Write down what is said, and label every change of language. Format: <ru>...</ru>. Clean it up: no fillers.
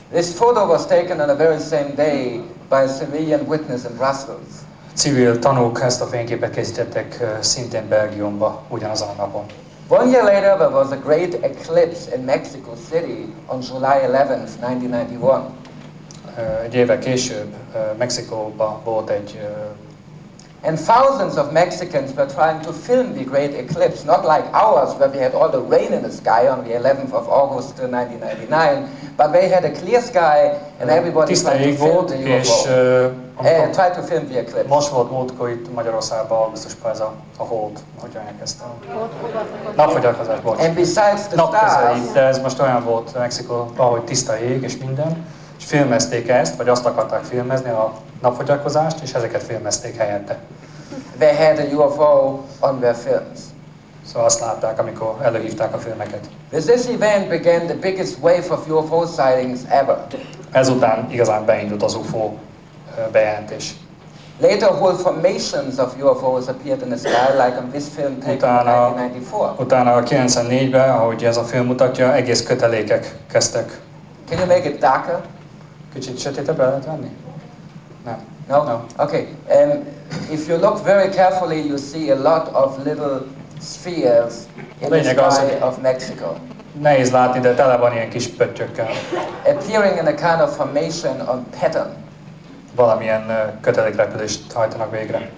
<en>This photo was taken on the very same day by a civilian witness in Brussels.</en> <hu>Civil tanúk ezt a fényképet készítettek szintén Belgiumban ugyanazon a napon.</hu> <en>One year later, there was a great eclipse in Mexico City on July 11th, 1991.</en> <hu>Egy évvel később Mexikóban volt egy...</hu> <en>And thousands of Mexicans were trying to film the great eclipse, not like ours, where we had all the rain in the sky on the 11th of August 1999, but they had a clear sky, and everybody tried to film</en> <hu>volt,</hu> <en>the UFO.</en> <hu>És,</hu> <en>tried to film the eclipse.</en> <hu>Most volt múltkor itt Magyarországban, augusztusban ez a hold, hogy elkezdtem. Napfogyarkozás, bocs.</hu> <en>And besides the stars...</en> <hu>De ez most olyan volt Mexikóban, hogy tiszta ég és minden, és filmezték ezt, vagy azt akarták filmezni a napfogyarkozást, és ezeket filmezték helyette.</hu> <en>They had a UFO on their films.</en> <hu>Szóval azt látták, amikor előhívták a filmeket.</hu> <en>This event began the biggest wave of UFO sightings ever.</en> <hu>Ezután igazán beindult az UFO bejelentés.</hu> <en>Later whole formations of UFOs appeared in the sky, like on this film taken</en> <hu>utána,</hu> <en>in 1994.</en> <hu>Utána a 94-ben, ahogy ez a film mutatja, egész kötelékek kezdtek.</hu> <en>Can you make it darker?</en> <hu>Kicsit sötétebb lehet venni? Nem.</hu> <en>No? No. Okay. If you look very carefully, you see a lot of little spheres in the sky of Mexico.</en> <hu>Nehéz látni, de tele van ilyen kis pöttyökkel.</hu> <en>Appearing in a kind of formation or pattern.</en> <hu>Valamilyen kötelékrepülést hajtanak végre.</hu>